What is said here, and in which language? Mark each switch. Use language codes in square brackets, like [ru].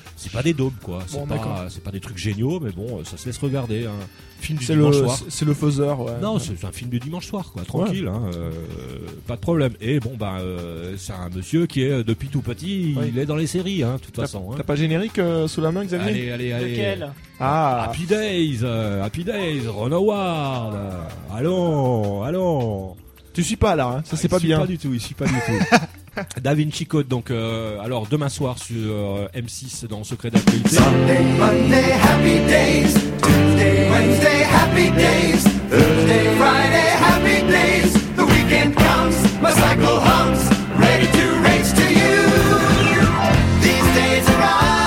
[fr] C'est pas des daubes quoi, c'est pas des trucs géniaux, mais bon, ça se laisse regarder. Hein. C'est le fuzzer, ouais. Non, c'est un film du dimanche soir quoi, tranquille, ouais. Pas de problème. Et bon, c'est un monsieur qui est depuis tout petit, il est dans les séries, hein, de toute façon. T'as pas générique sous la main, Xavier? Allez. Lequel? Ah, Happy Days, Ron Howard. Allons. Tu suis pas là, hein. Ça c'est pas bien. Il suit pas du tout. Da Vinci Code, donc, alors demain soir sur M6 dans Secret d'actualité. [en] Sunday, Monday, happy days. Tuesday, Wednesday, happy days. Thursday, Friday, happy days. The weekend comes, my cycle hums. Ready to race to you. These days are ours.